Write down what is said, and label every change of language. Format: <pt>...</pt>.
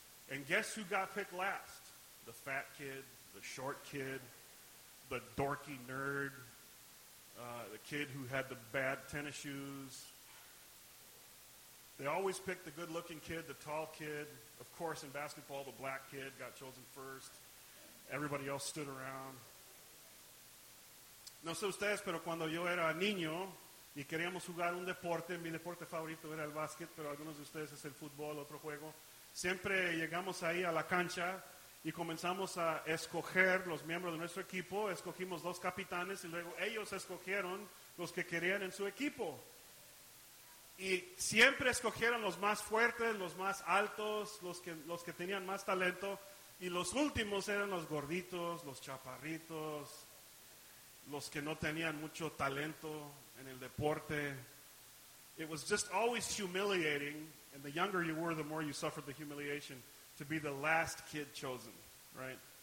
<en>And guess who got picked last? The fat kid, the short kid, the dorky nerd, the kid who had the bad tennis shoes. They always pick the good-looking kid, the tall kid. Of course, in basketball, the black kid got chosen first. Everybody else stood around.</en> <es>No sé ustedes, pero cuando yo era niño y queríamos jugar un deporte, mi deporte favorito era el básquet, pero algunos de ustedes es el fútbol, otro juego. Siempre llegamos ahí a la cancha y comenzamos a escoger los miembros de nuestro equipo. Escogimos dos capitanes y luego ellos escogieron los que querían en su equipo. Y siempre escogieron los más fuertes, los más altos, los que tenían más talento. Y los últimos eran los gorditos, los chaparritos, los que no tenían mucho talento en el deporte.</es> <en>It was just always humiliating, and the younger you were, the more you suffered the humiliation, to be the last kid chosen, right?</en>